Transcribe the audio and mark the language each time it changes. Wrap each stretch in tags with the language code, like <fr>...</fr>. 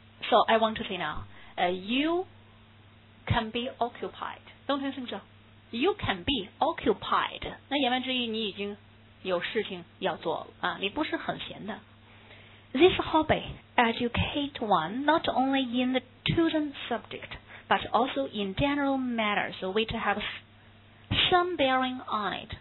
<en>So I want to say now, you can be occupied.</en> <zh>东城生说</zh> <en>，You can be occupied.</en> <zh>那言外之意，你已经有事情要做啊，你不是很闲的。</zh> <en>This hobby educates one not only in the chosen subject, but also in general matters which have some bearing on it.</en>